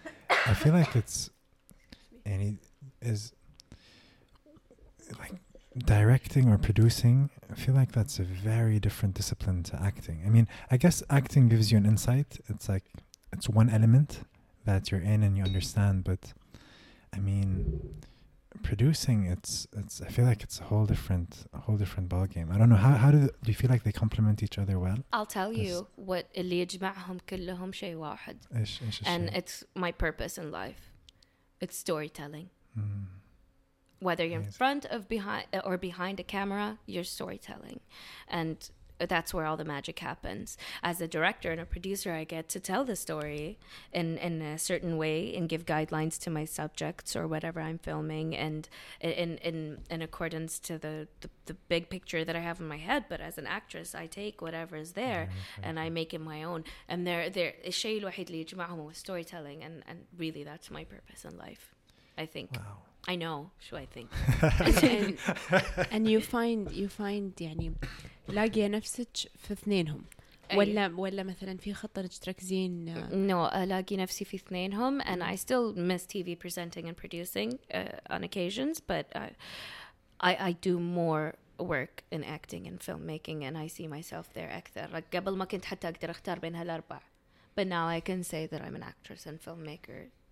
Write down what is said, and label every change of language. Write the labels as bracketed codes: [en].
[en] I feel like it's any is like directing or producing, I feel like that's a very different discipline to acting. I mean, I guess acting gives you an insight. It's like, it's one element that you're in and you understand, but I mean, producing, it's I feel like it's a whole different ball game. I don't know, how do you feel like they complement each other well? I'll tell you what [ar] اللي يجمعهم كلهم شيء واحد. [en] And it's my purpose in life. It's storytelling. Whether you're in front of behind a camera, you're storytelling. And that's where all the magic happens. As a director and a producer, I get to tell the story in a certain way and give guidelines to my subjects or whatever I'm filming, and in accordance to the big picture that I have in my head. But as an actress, I take whatever is there and I make it my own. And there [ar] الشيء الوحيد اللي يجمعهم هو [en] storytelling, and really that's my purpose in life, I think. Wow. I know, so I think. [ar] And you find يعني لاقي نفسك في اثنينهم ولا مثلا في خطة تركزين؟ [en] No, [ar] لاقي نفسي في اثنينهم, [en] and I still miss TV presenting and producing on occasions, but I do more work in acting and filmmaking, and I see myself there أكثر. Like, [ar] قبل ما كنت حتى أقدر أختار بين هالأربع, [en] but now I can say that I'm an actress and filmmaker.